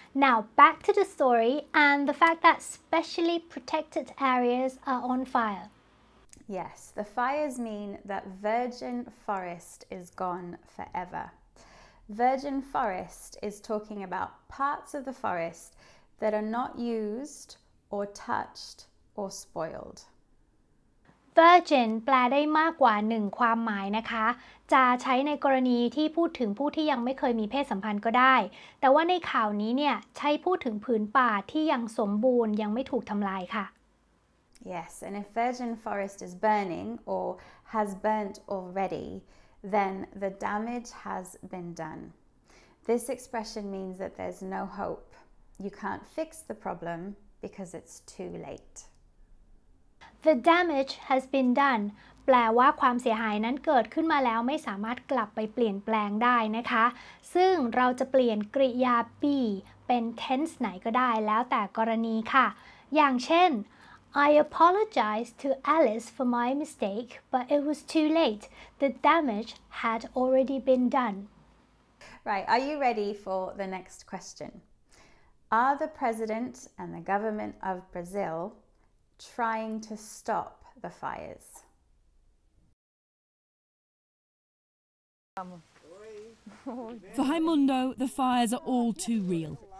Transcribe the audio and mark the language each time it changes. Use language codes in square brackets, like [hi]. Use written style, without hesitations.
[en] Now, back to the story and the fact that specially protected areas are on fire. Yes, the fires mean that virgin forest is gone forever. Virgin forest is talking about parts of the forest that are not used or touched or spoiled. [th] Virgin แปลได้มากกว่า1ความหมายนะคะจะใช้ในกรณีที่พูดถึงผู้ที่ยังไม่เคยมีเพศสัมพันธ์ก็ได้แต่ว่าในข่าวนี้เนี่ยใช้พูดถึงผืนป่าที่ยังสมบูรณ์ยังไม่ถูกทำลายค่ะ [en] Yes, and if virgin forest is burning or has burnt already,then the damage has been done. This expression means that there's no hope. You can't fix the problem because it's too late. The damage has been done. [th] แปลว่าความเสียหายนั้นเกิดขึ้นมาแล้วไม่สามารถกลับไปเปลี่ยนแปลงได้นะคะซึ่งเราจะเปลี่ยนกริยา be เป็น tense ไหนก็ได้แล้วแต่กรณีค่ะอย่างเช่น [en] I apologize to Alice for my mistake, but it was too late. The damage had already been done. Right, are you ready for the next question? Are the president and the government of Brazil trying to stop the fires? For Raimundo, the fires are all too real.